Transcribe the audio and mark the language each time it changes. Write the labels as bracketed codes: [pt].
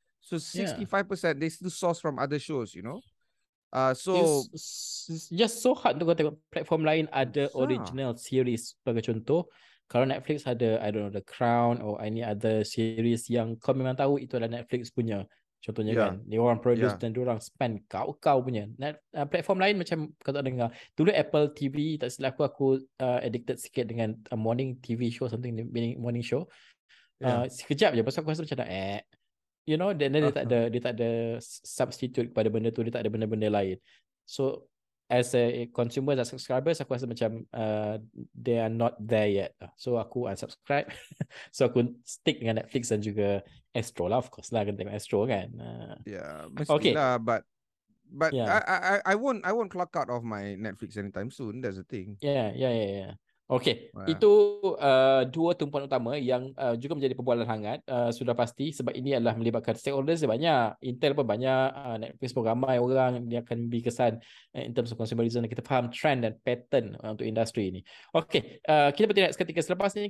[en] So 65% they still source from other shows, you know. So it's just so hard to go [ms] tengok platform lain ada [en] original series. [ms] Sebagai contoh, kalau Netflix ada, [en] I don't know, The Crown or any other series [ms] yang kau memang tahu itu adalah Netflix punya. Contohnya kan, ni orang produce dan diorang spend kau-kau punya. Platform lain macam kau tak dengar. Dulu Apple TV, tak silap aku addicted sikit dengan morning TV show, something morning show. Sekejap je, pasal aku rasa macam [en] you know, [ms] then dia tak ada, dia tak ada substitute kepada benda tu, dia tak ada benda-benda lain. So, as a consumer, as a subscribers, aku rasa macam they are not there yet. So, aku unsubscribe. So, aku stick dengan Netflix dan juga Astro lah, of course lah. Kena tengok Astro kan. [en] Yeah, mestilah. Okay. But yeah. I won't clock out of my Netflix anytime soon. That's the thing. Yeah. [ms] Okay, itu dua tumpuan utama yang juga menjadi perbualan hangat. Sudah pasti sebab ini adalah melibatkan stakeholders banyak. Intel pun banyak, Netflix pun ramai orang yang akan beri kesan [en] in terms of consumerism. [ms] Kita faham trend dan pattern untuk industri ini. Okay, kita bertindak seketika selepas ini.